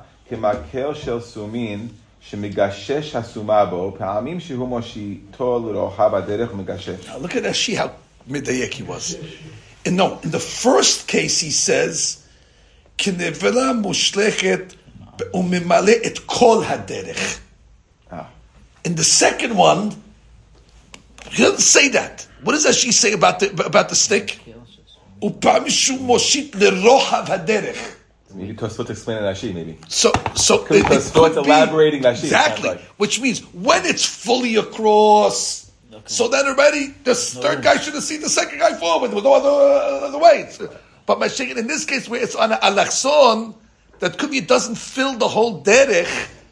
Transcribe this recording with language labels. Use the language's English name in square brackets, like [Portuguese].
[Hebrew] כמקל של סומין שמגשש הסומה בו, פעמים שהוא מושיטו לרוחב הדרך ומגשש. [English] Now look at Rashi, how מדייק he was. And no, in the first case he says, [Hebrew] כנבלה מושלכת וממלא את כל הדרך. [English] In the second one, he doesn't say that. What does Rashi say about the stick? [Hebrew] ופעמים שהוא מושיט לרוחב הדרך. [English] Maybe Tosfot explain it Rashi, maybe. So Tosfot elaborating Rashi. Exactly. Like. Which means when it's fully across, okay. So then already the third guy should have seen the second guy fall with no other way. But Mashiach, in this case, where it's on an alachson, that could be it doesn't fill the whole derech.